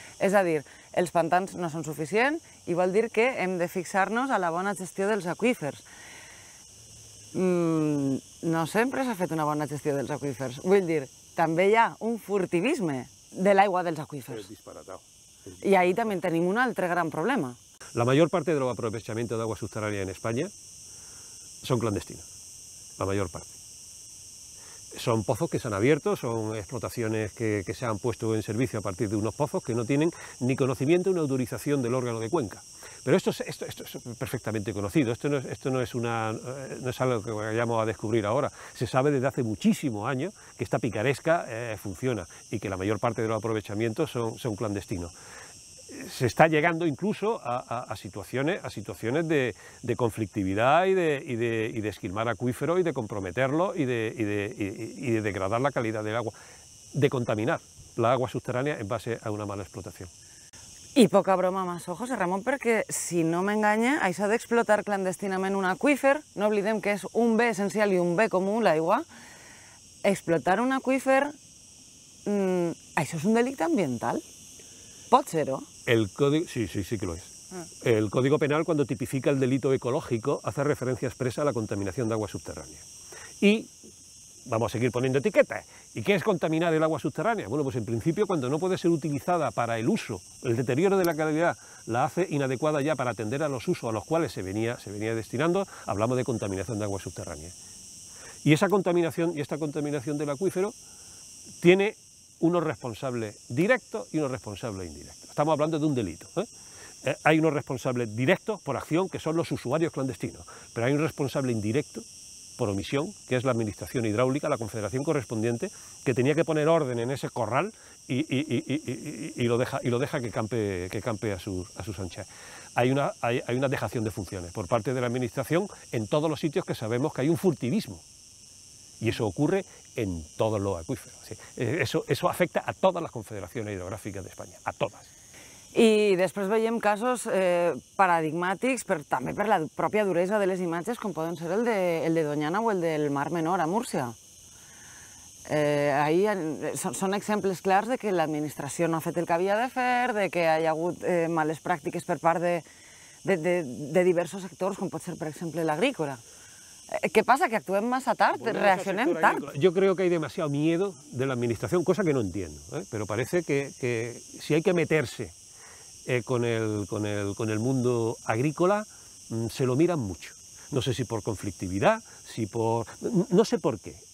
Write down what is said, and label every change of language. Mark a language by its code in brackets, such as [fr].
[ca] És a dir, els pantans no són suficients i vol dir que hem de fixar-nos a la bona gestió dels aqüífers. No sempre s'ha fet una bona gestió dels aqüífers. Vull dir, també hi ha un furtivisme de l'aigua dels aqüífers. I ahí també tenim un altre gran problema. [es] La mayor parte de los aprovechamientos de agua subterránea en España son clandestinos, la mayor parte. Son pozos que se han abierto, son explotaciones que se han puesto en servicio a partir de unos pozos que no tienen ni conocimiento ni autorización del órgano de cuenca. Pero esto es perfectamente conocido, esto no es algo que vayamos a descubrir ahora. Se sabe desde hace muchísimos años que esta picaresca funciona y que la mayor parte de los aprovechamientos son clandestinos. Se está llegando incluso a situaciones de conflictividad y de esquilmar acuífero y de comprometerlo y de degradar la calidad del agua, de contaminar la agua subterránea en base a una mala explotación. [ca] I poca broma más, José Ramón, perquè, si no m'enganya, això d'explotar clandestinament un acuífer, no oblidem que és un bé essencial i un bé comú, l'aigua, explotar un acuífer, això és un delicte ambiental. ¿Pot ser-ho? [es] Sí que lo es. El Código Penal, cuando tipifica el delito ecológico, hace referencia expresa a la contaminación de agua subterránea. Y vamos a seguir poniendo etiquetas. ¿Y qué es contaminar el agua subterránea? Bueno, pues en principio, cuando no puede ser utilizada para el uso, el deterioro de la calidad la hace inadecuada ya para atender a los usos a los cuales se venía destinando, hablamos de contaminación de agua subterránea. Y esa contaminación y esta contaminación del acuífero tiene unos responsables directos y unos responsables indirectos. Estamos hablando de un delito, ¿eh? Hay unos responsables directos por acción, que son los usuarios clandestinos, pero hay un responsable indirecto por omisión, que es la Administración Hidráulica, la Confederación correspondiente, que tenía que poner orden en ese corral y lo deja que campe a sus anchas. Hay una dejación de funciones por parte de la Administración en todos los sitios que sabemos que hay un furtivismo. Y eso ocurre en todos los acuíferos. ¿Sí? Eso afecta a todas las confederaciones hidrográficas de España, a todas. [ca] I després veiem casos paradigmàtics, però també per la pròpia duresa de les imatges, com poden ser el de Doñana o el del Mar Menor a Múrcia. Ahí són exemples clars de que l'administració no ha fet el que havia de fer, de que hi ha hagut males pràctiques per part de diversos sectors, com pot ser, per exemple, l'agrícola. [es] ¿Qué pasa? ¿Que actúen más tarde? ¿Reaccionen tarde? Yo creo que hay demasiado miedo de la administración, cosa que no entiendo, ¿eh? Pero parece que si hay que meterse con el mundo agrícola, se lo miran mucho. No sé si por conflictividad, no sé por qué.